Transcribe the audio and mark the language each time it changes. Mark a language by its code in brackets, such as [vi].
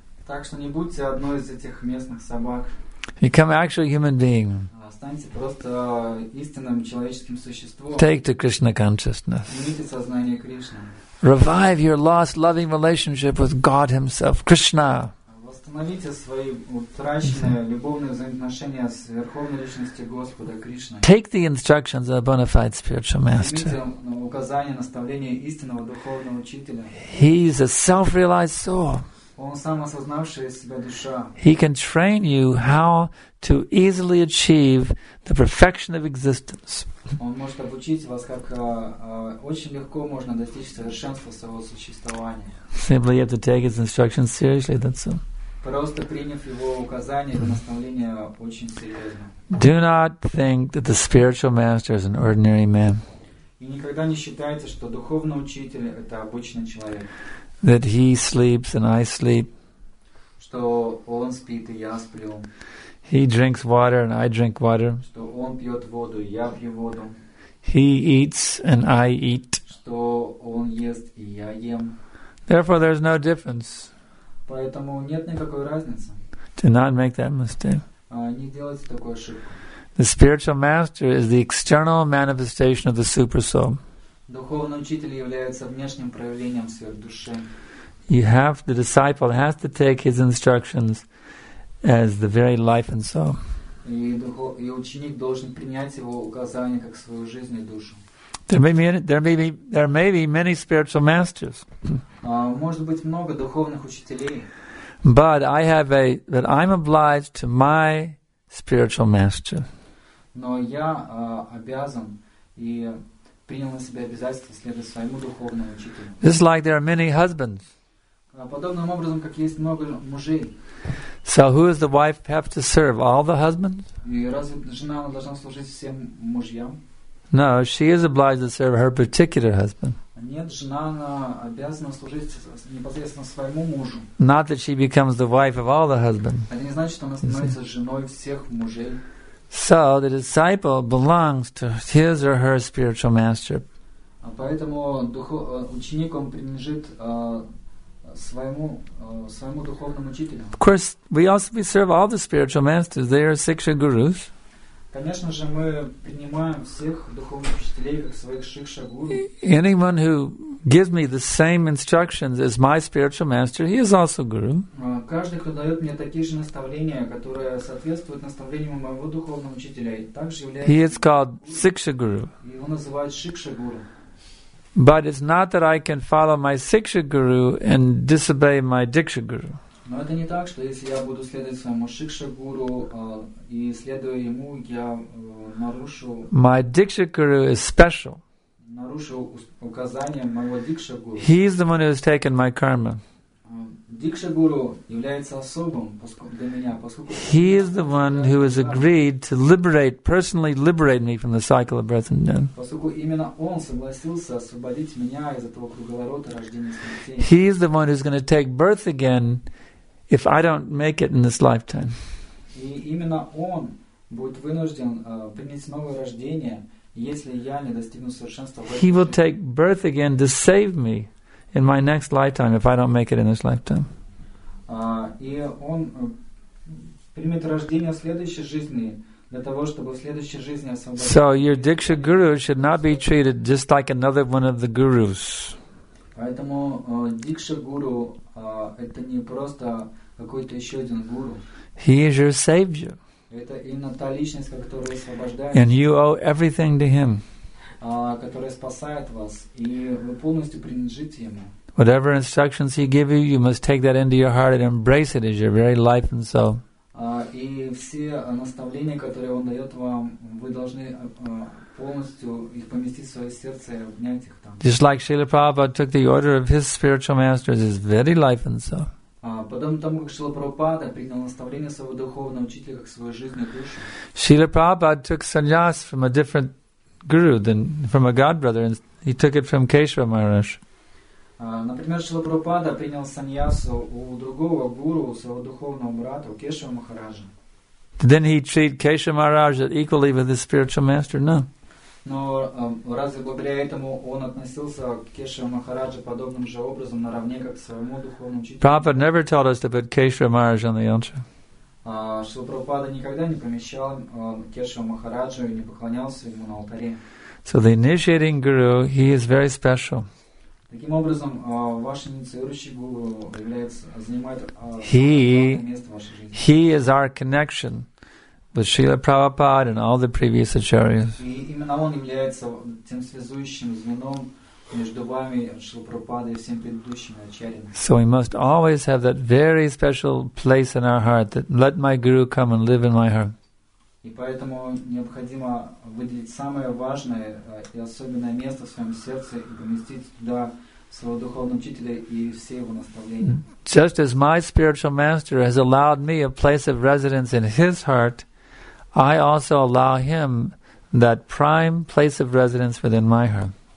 [ru] Так что не будьте одной из этих местных собак. [en] Become an actual human being. [ru] Станьте просто истинным человеческим существом. [en] Take to Krishna consciousness. [ru] Примите сознание Кришны. [en] Revive your lost loving relationship with God Himself, Krishna. [ru] Восстановите свои утраченные любовные взаимоотношения с Верховной Личностью Господа Кришны. [en] Take the instructions of a bona fide spiritual master. [ru] Примите указания, наставления истинного духовного учителя. [en] He is a self-realized soul. [ru] Он самосознавшая себя душа. [en] He can train you how to easily achieve the perfection of existence. [ru] Он может обучить вас, как очень легко можно достичь совершенства своего существования. [en] Simply you have to take his instructions seriously, that's all. [ru] Просто приняв его указания и наставления очень серьезно. [en] Do not think that the spiritual master is an ordinary man. [ru] И никогда не считайте, что духовный учитель — это обычный человек. [en] That he sleeps and I sleep. [ru] Что он спит, и я сплю. [en] He drinks water and I drink water. [ru] Что он пьет воду, и я пью воду. [en] He eats and I eat. [ru] Что он ест, и я ем. [en] Therefore, there's no difference. [ru] Поэтому нет никакой разницы. [en] Do not make that mistake. [ru] Не делайте такую ошибку. [en] The spiritual master is the external manifestation of the super soul. [ru] Духовный учитель является внешним проявлением сверхдуши. [en] You have, the disciple has to take his instructions as the very life and soul. [ru] И ученик должен принять его указания как свою жизнь и душу. [en] There may be many spiritual masters. [ru] Может быть много духовных учителей. [en] But I'm obliged to my spiritual master. [ru] Но я обязан и принял на себя обязательство следовать своему духовному учителю. [en] This is like there are many husbands. [ru] Подобным образом, как есть много мужей. [en] So who does the wife have to serve? All the husbands? [ru] И разве жена должна служить всем мужьям? [en] No, she is obliged to serve her particular husband. [ru] Нет, жена обязана служить непосредственно своему мужу. [en] Not that she becomes the wife of all the husbands. [ru] Это не значит, что она становится женой всех мужей. [en] So the disciple belongs to his or her spiritual master. [ru] Поэтому учеником принадлежит своему духовному учителю. [en] Of course, we serve all the spiritual masters. They are Siksha Gurus. [ru] Конечно же, мы принимаем всех духовных учителей как своих Шикша Гуру. [en] Anyone who gives me the same instructions as my spiritual master, he is also guru. [ru] Каждый, кто дает мне такие же наставления, которые соответствуют наставлениям моего духовного учителя, также является. [en] He is called Siksha Guru. [ru] Его называют Шикша Гуру. [en] But it's not that I can follow my Siksha Guru and disobey my Diksha Guru. [ru] Но это не так, что если я буду следовать своему Шикша Гуру и следуя ему, я нарушу. [en] My Diksha Guru is special. [ru] Нарушу указания моего Дикша Гуру. [en] He is the one who has taken my karma. [ru] Дикша Гуру является особым для меня, поскольку. [en] He is the one who has agreed to liberate, personally liberate me from the cycle of birth and death. [ru] Поскольку именно он согласился освободить меня из этого круговорота рождения и смерти. [en] He is the one who is going to take birth again if I don't make it in this lifetime. [ru] И именно он будет вынужден принять новое рождение, если я не достигну совершенства в этой жизни. [en] He will take birth again to save me in my next lifetime if I don't make it in this lifetime. [ru] И он примет рождение в следующей жизни для того, чтобы в следующей жизни освободить. [en] So your Diksha Guru should not be treated just like another one of the gurus. [ru] Поэтому Дикша Гуру это не просто какой-то еще один гуру. [en] He is your savior. [ru] Это именно та личность, которая освобождает. [en] And you owe everything to him. [ru] Которая спасает вас, и вы полностью принадлежите ему. [en] Whatever instructions he gives you, you must take that into your heart and embrace it as your very life and soul. [ru] И все наставления, которые он дает вам, вы должны полностью их поместить в свое сердце и обнять их там. [en] Just like Srila Prabhupada took the order of his spiritual masters, his very life and soul. [ru] Подобно тому, как Шрила Прабхупада принял наставление своего духовного учителя как свою жизнь и душу. [en] Шрила Прабхупада took sannyas from a different guru than from a god brother, and he took it from Keshava Maharaj. [ru] Например, Шрила Прабхупада принял саньясу у другого гуру, своего духовного брата, у Кешава Махараджа. [en] Then he treated Keshava Maharaj equally with his spiritual master? No. [ru] Но разве благодаря этому он относился к Кешава Махараджа подобным же образом, наравне как к своему духовному учителю? [en] Prabhupada never told us to put Keshava Maharaj on the altar. [ru] Шрила Прабхупада никогда не помещал Кешава Махараджа и не поклонялся ему на алтаре. [en] So the initiating guru, he is very special. [ru] Таким образом, ваш инициирующий гуру является занимает место в вашей жизни. [en] He is our connection with Srila Prabhupada and all the previous acharyas. [ru] И именно он является тем связующим звеном между вами, Шрила Прабхупада, и всеми предыдущими ачарьями. [en] So we must always have that very special place in our heart that let my guru come and live in my heart. [ru] И поэтому необходимо выделить самое важное и особенное место в своем сердце и поместить туда своего духовного учителя и все его наставления. [en] Just as my spiritual master has allowed me a place of residence in his heart, I also allow him that prime place of residence within my heart.